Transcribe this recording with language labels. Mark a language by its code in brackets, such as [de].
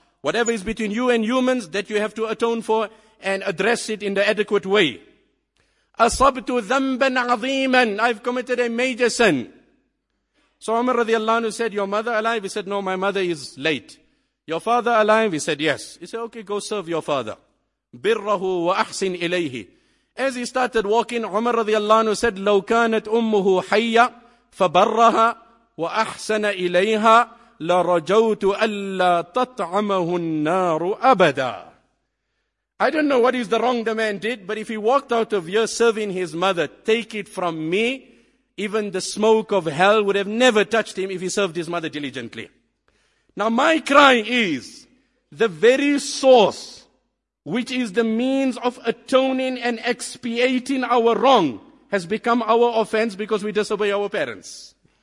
[en] Whatever is between you and humans, that you have to atone for and address it in the adequate way. [ar] Asabtu dhanban aziman, [en] I've committed a major sin. So Umar radiallahu anhu said, your mother alive? He said, no, my mother is late. Your father alive? He said, yes. He said, okay, go serve your father. [ar] Birrahu wa ahsin ilayhi. [en] As he started walking, Umar radiallahu anhu said, [ar] لو كانت أمه حيّة فبرها وأحسن إليها لرجوت ألا تطعمه النار أبدا. [en] I don't know what is the wrong the man did, but if he walked out of here serving his mother, take it from me, even the smoke of hell would have never touched him if he served his mother diligently. Now my cry is, the very source which is the means of atoning and expiating our wrong has become our offense because we disobey our parents.